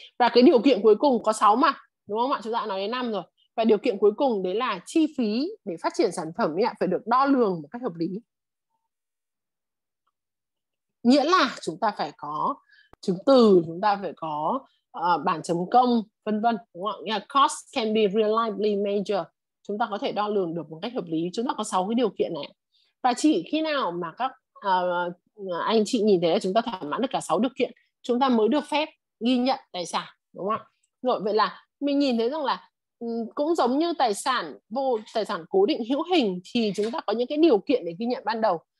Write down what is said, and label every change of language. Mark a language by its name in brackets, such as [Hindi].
[Vietnamese] Và cái điều kiện cuối cùng có 6 mà, đúng không ạ? Chúng ta đã nói đến 5 rồi. Và điều kiện cuối cùng đấy là chi phí để phát triển sản phẩm ấy, phải được đo lường một cách hợp lý. Nghĩa là chúng ta phải có chứng từ, chúng ta phải có bản chấm công, vân vân, đúng không ạ? [English] Cost can be reliably measured. [Vietnamese] Chúng ta có thể đo lường được một cách hợp lý. Chúng ta có 6 cái điều kiện này. Và chỉ khi nào mà các anh chị nhìn thấy là chúng ta thỏa mãn được cả 6 điều kiện, chúng ta mới được phép ghi nhận tài sản, đúng không ạ? Rồi, vậy là mình nhìn thấy rằng là cũng giống như tài sản cố định hữu hình, thì chúng ta có những cái điều kiện để ghi nhận ban đầu.